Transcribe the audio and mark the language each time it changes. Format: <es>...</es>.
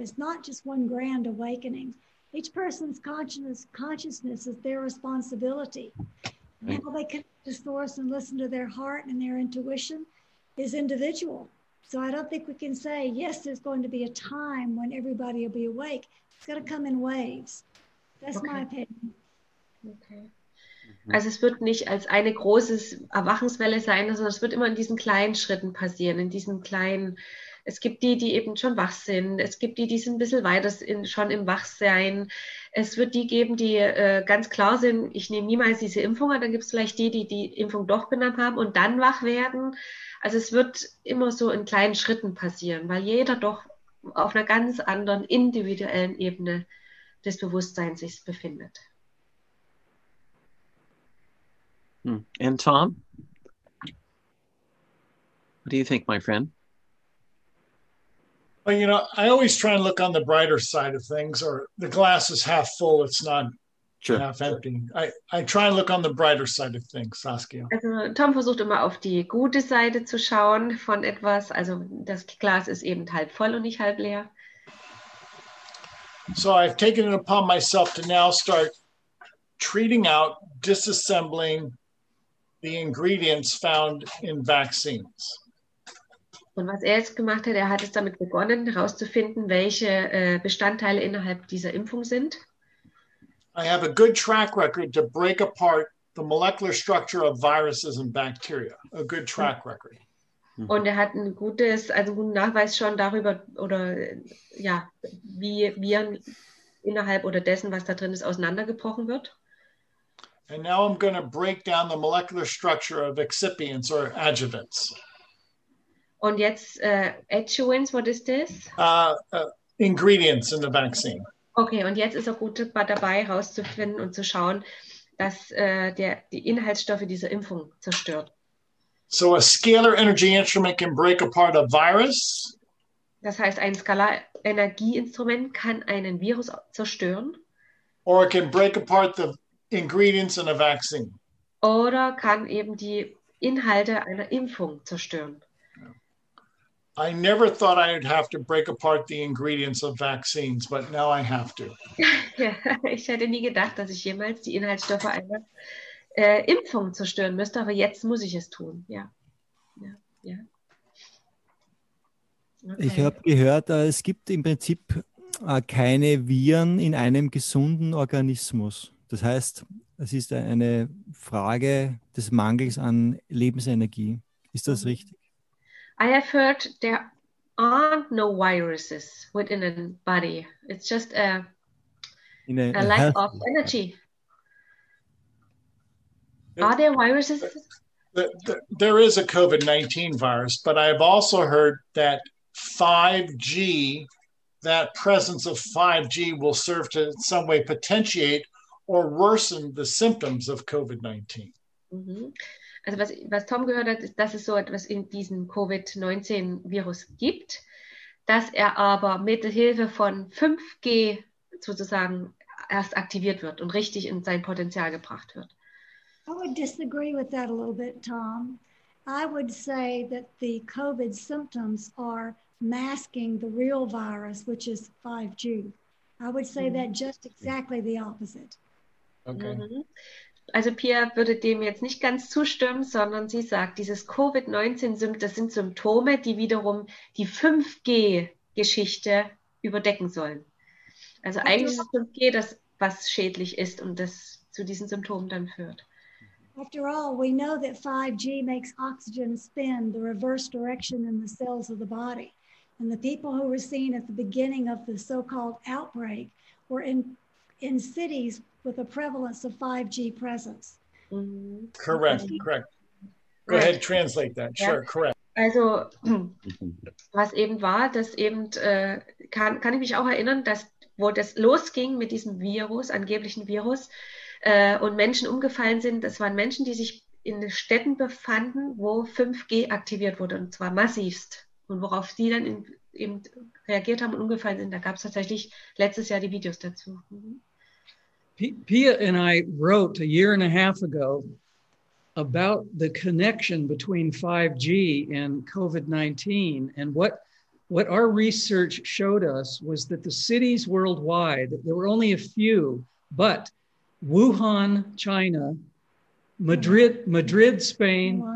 <en>It's not just one grand awakening. Each person's consciousness is their responsibility. How they connect to source and listen to their heart and their intuition is individual. So I don't think we can say, yes, there's going to be a time when everybody will be awake. It's going to come in waves. That's my opinion. Okay.</en> <de>Also es wird nicht als eine große Erwachungswelle sein, sondern es wird immer in diesen kleinen Schritten passieren, in diesen kleinen. Es gibt die, die eben schon wach sind. Es gibt die, die sind ein bisschen weiter schon im Wachsein. Es wird die geben, die ganz klar sind, ich nehme niemals diese Impfung. Dann gibt es vielleicht die, die die Impfung doch genommen haben und dann wach werden. Also es wird immer so in kleinen Schritten passieren, weil jeder doch auf einer ganz anderen individuellen Ebene des Bewusstseins sich befindet.</de> <en>And Tom? What do you think, my friend? Well, you know, I always try and look on the brighter side of things, or the glass is half full, it's not half empty. I try and look on the brighter side of things, Saskia.</en> <de>Also, Tom versucht immer auf die gute Seite zu schauen von etwas. Also das Glas ist eben halb voll und nicht halb leer.</de> <en>So I've taken it upon myself to now start treating out, disassembling the ingredients found in vaccines.</en> <de>Und was jetzt gemacht hat, hat es damit begonnen, herauszufinden, welche Bestandteile innerhalb dieser Impfung sind.</de> <en>I have a good track record to break apart the molecular structure of viruses and bacteria. A good track record.</en> <de>Und hat einen guten Nachweis schon darüber, oder ja, wie Viren innerhalb oder dessen, was da drin ist, auseinandergebrochen wird.</de> <en>And now I'm going to break down the molecular structure of excipients or adjuvants.</en> <de>Und jetzt</de> <en>adjuvants, what is this? Ingredients in the vaccine.</en> <de>Okay, und jetzt ist er gut dabei, herauszufinden und zu schauen, dass die Inhaltsstoffe dieser Impfung zerstört.</de> <en>So a scalar energy instrument can break apart a virus.</en> <de>Das heißt, ein Skalarenergieinstrument kann einen Virus zerstören.</de> <en>Or it can break apart the ingredients in a vaccine.</en> <de>Oder kann eben die Inhalte einer Impfung zerstören.</de> <en>I never thought I'd have to break apart the ingredients of vaccines, but now I have to.</en> <de>Ich hätte nie gedacht, dass ich jemals die Inhaltsstoffe einer Impfung zerstören müsste, aber jetzt muss ich es tun. Ja. Ja. Ja. Okay. Ich habe gehört, es gibt im Prinzip keine Viren in einem gesunden Organismus. Das heißt, es ist eine Frage des Mangels an Lebensenergie. Ist das richtig?</de> <en>I have heard there aren't no viruses within a body. It's just a lack of energy. Are there viruses? There is a COVID-19 virus, but I have also heard that 5G, that presence of 5G will serve to in some way potentiate or worsen the symptoms of COVID-19. Mm-hmm.</en> <de>Also was Tom gehört hat, ist, dass es so etwas in diesem COVID-19-Virus gibt, dass er aber mit Hilfe von 5G sozusagen erst aktiviert wird und richtig in sein Potenzial gebracht wird.</de> <en>I would disagree with that a little bit, Tom. I would say that the COVID symptoms are masking the real virus, which is 5G. I would say that just exactly the opposite. Okay. Mm-hmm.</en> <de>Also Pia würde dem jetzt nicht ganz zustimmen, sondern sie sagt, dieses COVID-19-Symptom, das sind Symptome, die wiederum die 5G-Geschichte überdecken sollen. Also eigentlich ist 5G das, was schädlich ist und das zu diesen Symptomen dann führt.</de> <en>After all, we know that 5G makes oxygen spin the reverse direction in the cells of the body. And the people who were seen at the beginning of the so-called outbreak were in cities with a prevalence of 5G presence. Mm-hmm. Correct, okay. Correct. Go ahead, translate that. Yeah. Sure, correct.</en> <de>Also, was eben war, dass eben, kann ich mich auch erinnern, dass wo das losging mit diesem Virus, angeblichen Virus, und Menschen umgefallen sind, das waren Menschen, die sich in Städten befanden, wo 5G aktiviert wurde, und zwar massivst. Und worauf sie dann eben reagiert haben und umgefallen sind, da gab es tatsächlich letztes Jahr die Videos dazu.</de> <en>Pia and I wrote a year and a half ago about the connection between 5G and COVID-19. And what our research showed us was that the cities worldwide, there were only a few, but Wuhan, China, Madrid, Spain.</en>